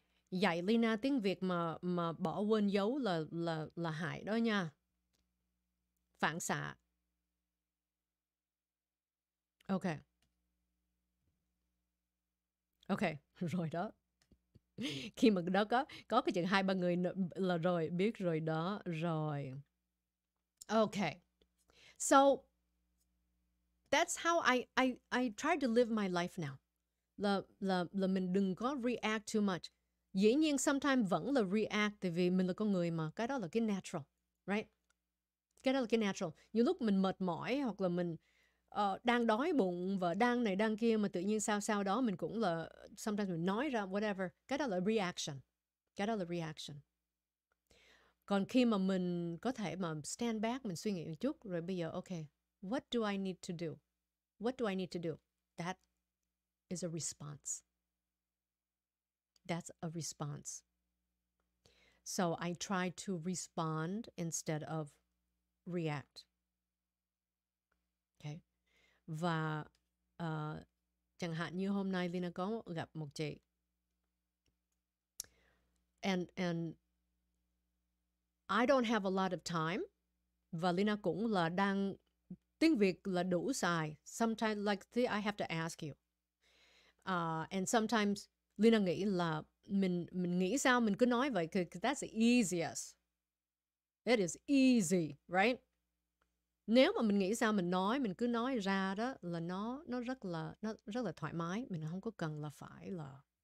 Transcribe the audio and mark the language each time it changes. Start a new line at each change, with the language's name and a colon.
Vietnamese: Dạy Lina tiếng Việt mà bỏ quên dấu là hại đó nha. Phản xạ. Ok. Ok, rồi đó. Khi mà đó có cái chuyện hai ba người là rồi, biết rồi đó, rồi. Ok.
English: So that's how I try to live my life now.
Vietnamese: Là mình đừng có
English: react too much.
Vietnamese: Dĩ nhiên sometimes vẫn là react tại vì mình là con người mà, cái đó là cái natural, right? Cái đó là cái natural. Nhiều lúc mình mệt mỏi hoặc là mình đang đói bụng và đang này đang kia mà tự nhiên sao sao đó mình cũng là sometimes mình nói ra whatever, cái đó là reaction. Cái đó là reaction. Còn khi mà mình có thể mà stand back, mình suy nghĩ một chút rồi bây giờ okay,
English: what do I need to do? What do I need to do? That is a response. That's a response. So I try to respond instead of react. Okay.
Vietnamese: Và chẳng hạn như hôm nay Lina có gặp một chị.
English: And I don't have a lot of time.
Vietnamese: Và Lina cũng là đang tiếng Việt là đủ xài.
English: Sometimes like thế I have to ask you.
Vietnamese: And sometimes Lina nghĩ là mình nghĩ sao mình cứ nói vậy,
English: cause that's the easiest. It is easy, right?
Vietnamese: Nếu mà mình nghĩ sao mình cứ nói ra đó là nó rất là thoải mái, mình không có cần là phải là.